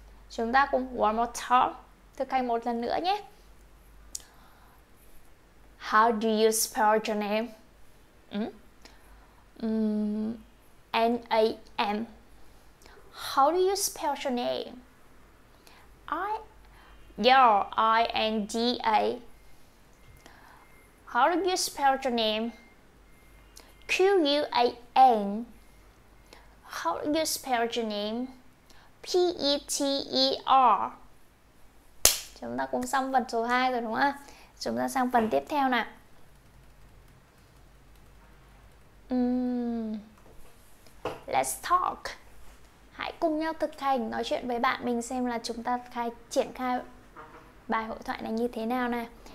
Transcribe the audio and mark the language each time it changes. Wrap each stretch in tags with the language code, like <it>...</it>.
<vi>Chúng ta cùng</vi> <en>one more time,</en> <vi>thực hành một lần nữa nhé.</vi> <en>How do you spell your name? N A M. How do you spell your name? I yeah, I N D A. How do you spell your name? Q U A N. How do you spell your name? P E T E R.</en> <vi>Chúng ta cũng xong phần số 2 rồi đúng không ạ? Chúng ta sang phần tiếp theo nào.</vi> <en>Let's talk.</en> <vi>Hãy cùng nhau thực hành, nói chuyện với bạn mình xem là chúng ta triển khai bài hội thoại này như thế nào nè.</vi>